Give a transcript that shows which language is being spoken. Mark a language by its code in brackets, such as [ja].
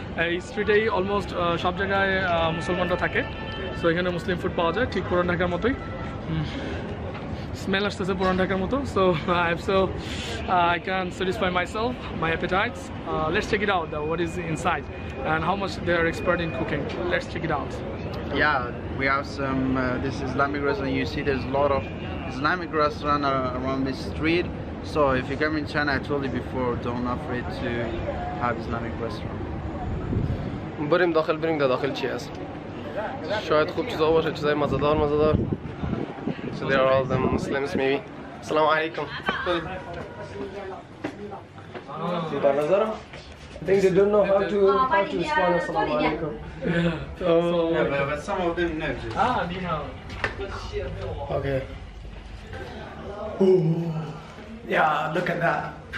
[bn] এই স্ট্রিটেই অলমোস্ট সব জায়গায় মুসলমানরা থাকে, সো এখানে মুসলিম ফুড পাওয়া যায় ঠিক পুরান ঢাকার মতোই। [en] Smell as if it's a good one. So I can satisfy myself, my appetites. Let's check it out though, what is inside and how much they are expert in cooking. Let's check it out. Yeah, we have some, this Islamic restaurant. You see there's a lot of Islamic restaurant around this street. So if you come in China, I told you before, don't afraid to have Islamic restaurant. [fa] بریم داخل بریم داخل چی هست شاید خوب چیزا باشه چیزای مزه‌دار مزه‌دار [en] so there are all the Muslims maybe [fa] السلام علیکم [en] I think they don't know how to respond to Assalamu alaikum. But some of them know this. Ah, Nihao. Okay. Ooh. Yeah, look at that.